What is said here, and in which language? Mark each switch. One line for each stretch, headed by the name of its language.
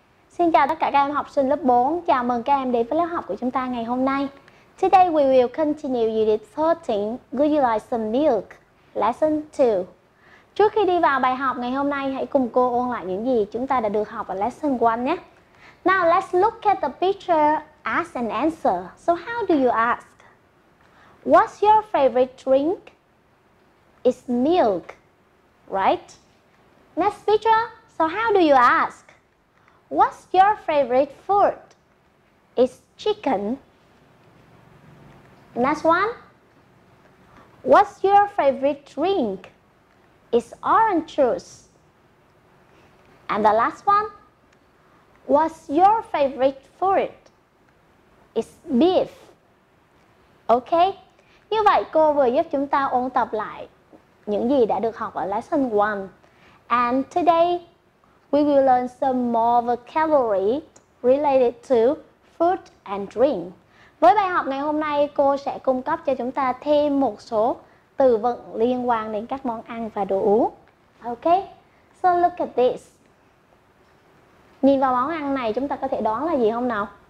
Vietnamese: Xin chào tất cả các em học sinh lớp 4. Chào mừng các em đến với lớp học của chúng ta ngày hôm nay.
English: Today we will continue unit 13. Would you like some milk? Lesson 2.
Vietnamese: Trước khi đi vào bài học ngày hôm nay, hãy cùng cô ôn lại những gì chúng ta đã được học ở lesson 1 nhé.
English: Now let's look at the picture, ask and answer. So how do you ask? What's your favorite drink? It's milk, right? Next picture, so how do you ask? What's your favorite food? It's chicken. Next one, what's your favorite drink? It's orange juice. And the last one, what's your favorite food? It's beef.
Vietnamese: Okay, như vậy cô vừa giúp chúng ta ôn tập lại những gì đã được học ở lesson 1.
English: And today, we will learn some more vocabulary related to food and drink.
Vietnamese: Với bài học ngày hôm nay, cô sẽ cung cấp cho chúng ta thêm một số từ vựng liên quan đến các món ăn và đồ uống.
English: Okay, so look at this.
Vietnamese: Nhìn vào món ăn này, chúng ta có thể đoán là gì không nào?